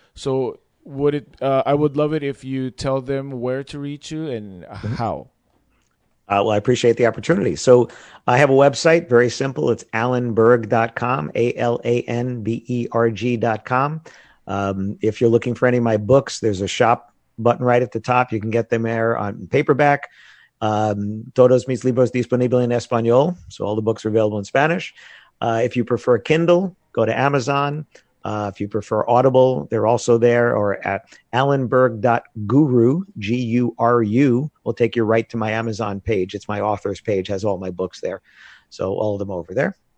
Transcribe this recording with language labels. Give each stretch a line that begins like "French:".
English: So would it, I would love it if you tell them where to reach you and how. Well, I appreciate the opportunity. So I have a website, very simple. It's alanberg.com, alanberg.com. If you're looking for any of my books, there's a shop button right at the top. You can get them there on paperback.
Spanish: Todos mis libros disponibles en español.
English: So all the books are available in Spanish. If you prefer Kindle, go to Amazon. If you prefer Audible, they're also there, or at alanberg.guru, G-U-R-U, will take you right to my Amazon page. It's my author's page, has all my books there. So all of them over there.